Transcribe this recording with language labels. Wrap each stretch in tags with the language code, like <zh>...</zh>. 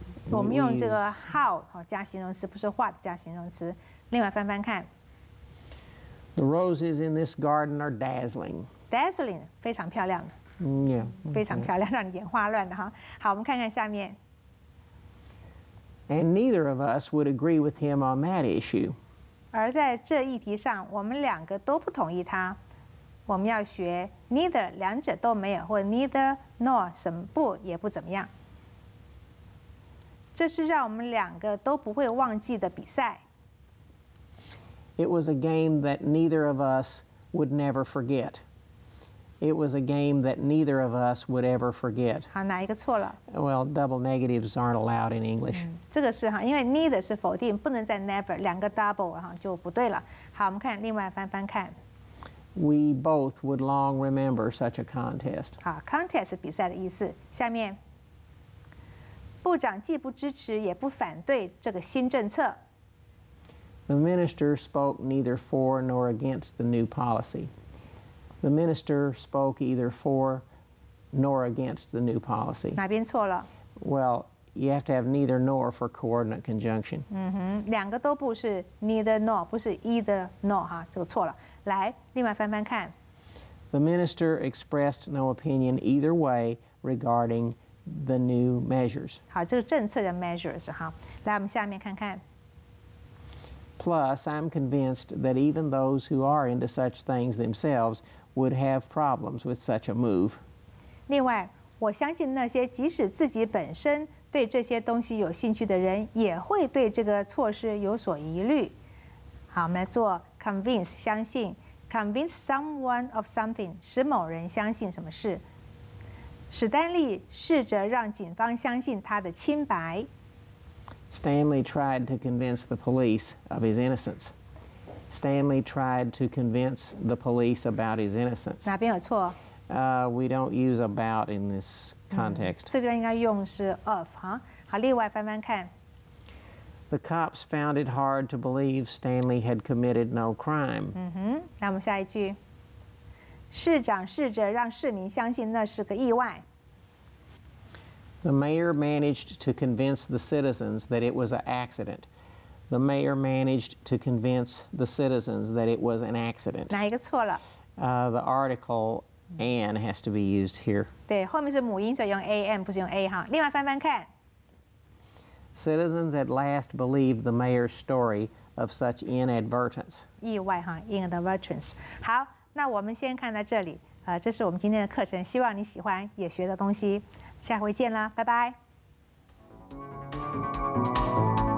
<zh>我们用这个 how 加形容词，不是 what 加形容词。另外翻翻看</zh> <en>，The roses in this garden are dazzling.</en> <zh>Dazzling 非常漂亮的， yeah, 非常漂亮，让你眼花乱的哈。好，我们看看下面。</zh> <en>And neither of us would agree with him on that issue.</en> <zh>而在这议题上，我们两个都不同意他。我们要学 neither 两者都没有，或</zh> <en>neither nor</en> <zh>什么不也不怎么样。这是让我们两个都不会忘记的比赛。</zh> <en>It was a game that neither of us would never forget. It was a game that neither of us would ever forget.</en> <zh>好，哪一个错了</zh> <en>？Well, double negatives aren't allowed in English.、</en> <zh>这个是哈，因为 neither 是否定，不能再 never， 两个 double 哈就不对了。好，我们看另外翻翻看。</zh> <en>We both would long remember such a contest.</en> <zh>好 ，contest 是比赛的意思。下面。部长既不支持也不反对这个新政策。</zh> <en>The minister spoke neither for nor against the new policy. The minister spoke either for nor against the new policy.</en> <zh>哪边错了</zh> <en>？Well, you have to have neither nor for coordinate conjunction.</en> <zh>两个都不是</zh> <en>neither nor，</en> <zh>不是</zh> <en>either nor</en> <zh>哈，这个错了。来，另外翻翻看。</zh> <en>The minister expressed no opinion either way regarding. The new measures.</en> <zh>好，这个政策的 measures 哈，来，我们下面看看。</zh> <en>Plus, I'm convinced that even those who are into such things themselves would have problems with such a move.</en> <zh>另外，我相信那些即使自己本身对这些东西有兴趣的人，也会对这个措施有所疑虑。好，我们来做 convince， 相信 ，</zh> <en>convince someone of something，</en> <zh>使某人相信什么事。史丹利试着让警方相信他的清白。</zh> <en>Stanley tried to convince the police of his innocence. Stanley tried to convince the police about his innocence.</en> <zh>哪边有错</zh> <en>？We don't use about in this context.、</en> <zh>这边应该用是 of 哈。好，另外翻翻看。</zh> <en>The cops found it hard to believe Stanley had committed no crime.</en> <zh>那我们下一句。市长试着让市民相信那是个意外。</zh> <en>The mayor managed to convince the citizens that it was an accident. The mayor managed to convince the citizens that it was an accident.</en> <zh>哪一个错了？</zh> <en>The article an has to be used here.</en> <zh>对，后面是母音，所以用 am 不是用 a 哈。另外翻翻看。</zh> <en>Citizens at last believed the mayor's story of such inadvertence.</en> <zh>意外哈 ，inadvertence。好。那我们先看到这里，这是我们今天的课程，希望你喜欢，也学到东西。下回见啦，拜拜。</zh>